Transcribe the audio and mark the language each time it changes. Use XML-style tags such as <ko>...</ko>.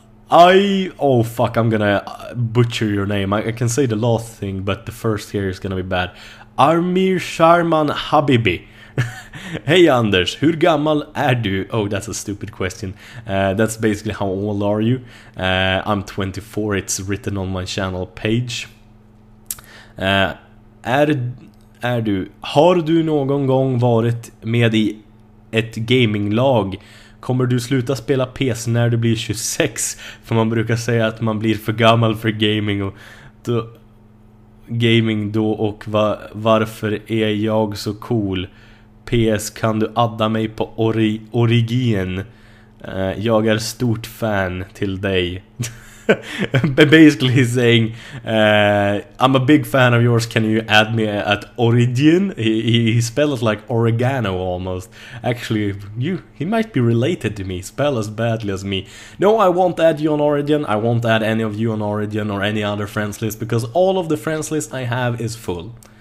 <en>I'm gonna butcher your name. I can say the last thing, but the first here is gonna be bad. Armir Sharman Habibi.</en> <sv>Hey Anders, hur gammal är du?</sv> <en>Oh, that's a stupid question. That's basically how old are you? I'm 24. It's written on my channel page.</en> <sv>Är du? Har du någon gång varit med i ett gaminglag? Kommer du sluta spela PC när du blir 26? För man brukar säga att man blir för gammal för gaming och då, gaming då, och varför är jag så cool? PS, kan du adda mig på Origin? Jag är stort fan till dig.</sv> <en>Basically saying, I'm a big fan of yours, can you add me at Origin? He spells like oregano almost. Actually, he might be related to me, spell as badly as me. No, I won't add you on Origin, I won't add any of you on Origin or any other friends list, because all of the friends list I have is full.</en>